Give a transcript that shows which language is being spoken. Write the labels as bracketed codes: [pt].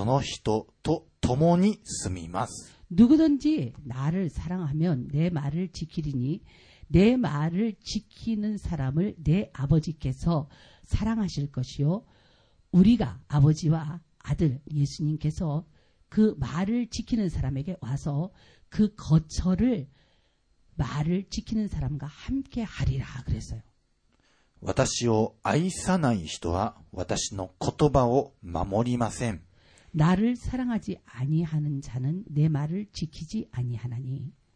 [ja] そうすれば私の父はその人を愛し私たちはその人のところに来てその人と共に住みます [ko] 누구든지 나를 사랑하면 내 말을 지키리니 내 말을 지키는 사람을 내 아버지께서 사랑하실 것이요 우리가 아버지와 아들 예수님께서 그 말을 지키는 사람에게 와서 그 거처를 말을 지키는 사람과 함께 하리라 그랬어요. [ja] 私を愛さない人は私の言葉を守りません. [ko] 나를 사랑하지 아니하는 자는 내 말을 지키지 아니하나니.